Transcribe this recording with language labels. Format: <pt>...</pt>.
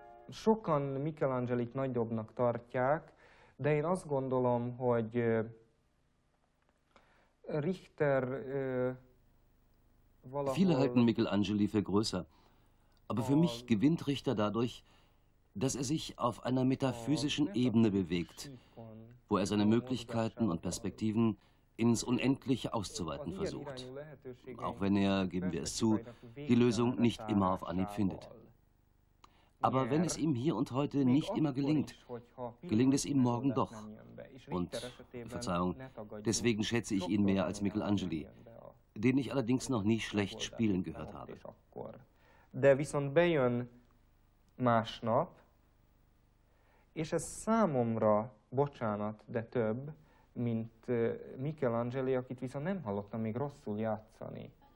<hu>Sokan Michelangelit nagy dobnak tartják, de én azt gondolom, hogy Richter valahol...</hu> <de>Viele halten Michelangeli für größer, aber für mich gewinnt Richter dadurch, dass er sich auf einer metaphysischen Ebene bewegt, wo er seine Möglichkeiten und Perspektiven ins Unendliche auszuweiten versucht, auch wenn er, geben wir es zu, die Lösung nicht immer auf Anhieb findet. Aber wenn es ihm hier und heute nicht immer gelingt, gelingt es ihm morgen doch. Und, Verzeihung, deswegen schätze ich ihn mehr als Michelangeli, den ich allerdings noch nie schlecht spielen gehört habe.</de> <hu>De viszont bejön másnap, és ez számomra, bocsánat, de több, mint Michelangeli, akit viszont nem hallottam még rosszul játszani.</hu>